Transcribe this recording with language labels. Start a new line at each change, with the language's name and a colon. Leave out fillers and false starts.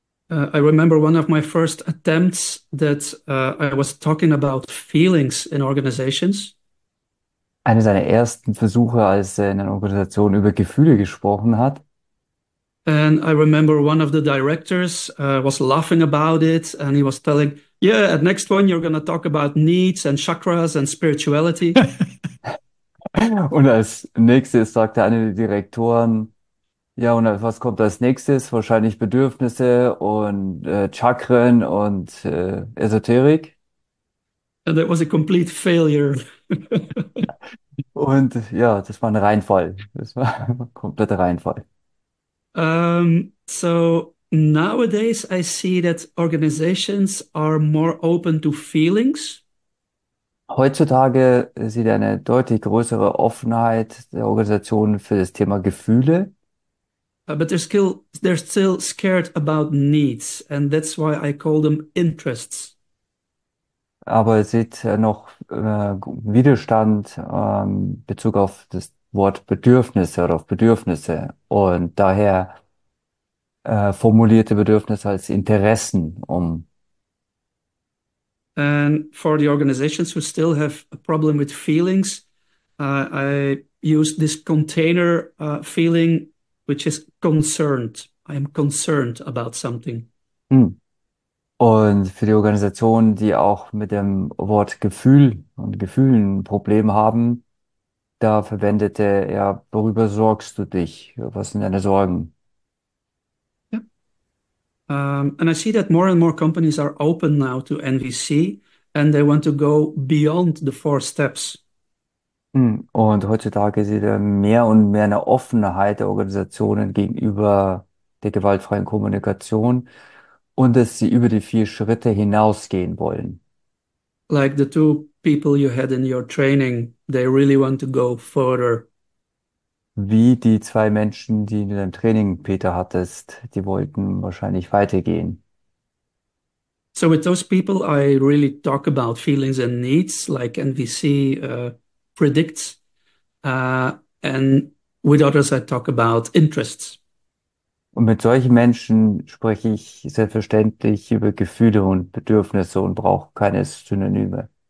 English: I remember one of my first attempts that I was talking about feelings in organizations.
German: Einer seiner ersten Versuche, als er in einer Organisation über Gefühle gesprochen hat.
English: And I remember one of the directors was laughing about it, and he was telling, "Yeah, at next one you're going to talk about needs and chakras and spirituality."
German: Und als nächstes sagte einer der Direktoren, ja, und was kommt als nächstes? Wahrscheinlich Bedürfnisse und Chakren und Esoterik.
English: And that was a complete failure.
German: Und ja, das war ein Reinfall. Das war ein kompletter Reinfall.
English: So nowadays I see that organizations are more open to feelings.
German: Heutzutage sieht er eine deutlich größere Offenheit der Organisation für das Thema Gefühle.
English: But they're still scared about needs, and that's why I call them interests.
German: Aber er sieht noch Widerstand in Bezug auf das Wort Bedürfnisse oder auf Bedürfnisse und daher formulierte Bedürfnisse als Interessen um.
English: And for the organizations who still have a problem with feelings, I use this container feeling, which is concerned. I am concerned about something.
German: Und für die Organisationen, die auch mit dem Wort Gefühl und Gefühlen Probleme haben, da verwendete er, worüber sorgst du dich? Was sind deine Sorgen?
English: And I see that more and more companies are open now to NVC and they want to go beyond the four steps.
German: Und heutzutage sieht er mehr und mehr eine Offenheit der Organisationen gegenüber der gewaltfreien Kommunikation. Und dass sie über die vier Schritte hinausgehen wollen.
English: Like the two people you had in your training, they really want to go further.
German: Wie die zwei Menschen, die du in deinem Training, Peter, hattest, die wollten wahrscheinlich weitergehen.
English: So with those people, I really talk about feelings and needs, like NVC predicts. And with others, I talk about interests.
German: Und mit solchen Menschen spreche ich selbstverständlich über Gefühle und Bedürfnisse und brauche keine Synonyme.